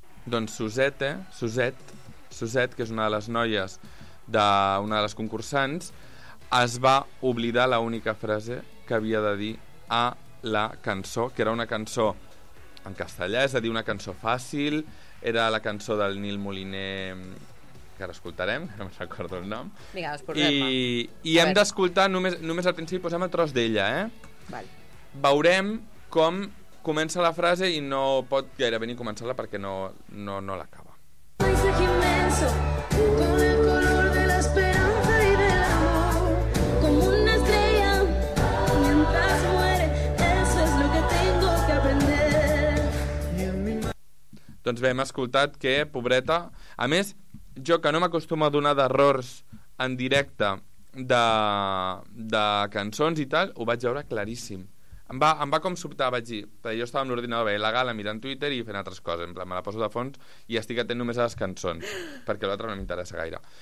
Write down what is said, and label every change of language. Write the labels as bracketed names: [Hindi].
[Catalan] Doncs Suzette, Suzette, que és una de les noies d'una de les concursants, es va oblidar l'única frase que havia de dir a la cançó, que era una cançó en castellà, és a dir, una cançó fàcil, era la cançó del Nil Moliner, que ara escoltarem, no me'n recordo el nom. Vinga, doncs posem-la. I hem d'escoltar només al principi, posem el tros d'ella, eh? Val. Veurem com comença la frase i no pot gairebé ni començar-la perquè no l'acaba. [Spanish] Immenso, con el color de la esperanza y del amor, como una estrella mientras muere, eso es lo que tengo que aprender. [Catalan] Doncs bé, hem escoltat que, pobreta, a més, jo que no m'acostumo a donar d'errors en directe de cançons i tal, ho vaig veure claríssim. Em va com sobtar, vaig dir, perquè jo estava amb l'ordinador veient la gala, mirant Twitter i fent altres coses, en plan, me la poso de fons i estic atent només a les cançons, perquè l'altre no m'interessa gaire.